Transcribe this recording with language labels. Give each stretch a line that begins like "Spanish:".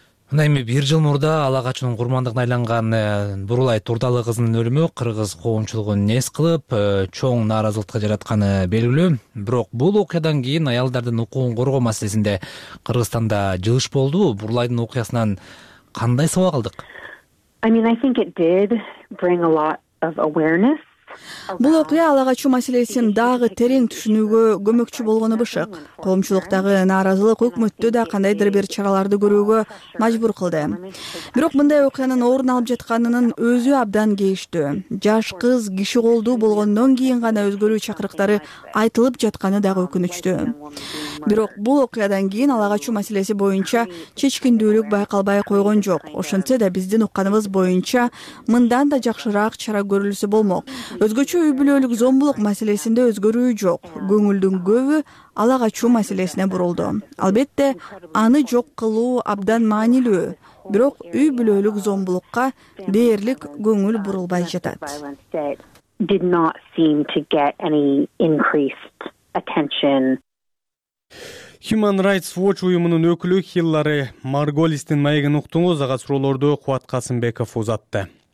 Kyrgyz: Мына эми бир жыл мурда ала качуунун курмандыгына айланган Бурулай Турдалы кызынын өлүмү кыргыз коомчулугун эс кылып чоң нааразылыкка жаратканы белгилүү. Бирок бул окуядан кийин аялдардын укугун коргоо маселесинде Кыргызстанда жылыш болдубу? Бурулайдын окуясынан кандай сабак алдык?
English: I think it did bring a lot of awareness.
Kyrgyz: Бул окуя ала качуу маселесин дагы терең түшүнүүгө көмөкчү болгону бышык. Коомчулуктагы нааразылык өкмөттү да кандайдыр бир чараларды көрүүгө мажбур кылды. Бирок мындай окуянын орун алып жатканынын өзү абдан кейиштүү. Жаш кыз киши колдуу болгондон кийин гана өзгөрүү чакырыктары айтылып жатканы дагы өкүнүчтүү. Бирок бул окуядан кийин ала качуу маселеси боюнча чечкиндүүлүк байкалбай койгон жок. Ошентсе да биздин укканыбыз боюнча мындан да жакшыраак чара көрүлсө болмок. Өзгөчө үй бүлөлүк зомбулук маселесинде өзгөрүү жок. Көңүлдүн көбү ала качуу маселесине бурулду. Албетте, аны жок кылуу абдан маанилүү. Бирок үй бүлөлүк зомбулукка дээрлик көңүл бурулбай жатат.
English: Did not seem to get any increased attention.
Kyrgyz: Human Rights Watch уюмунун өкүлү Хиллари Марголистин маегин уктуңуз. Ага суроолорду Кубат Касымбеков узатты.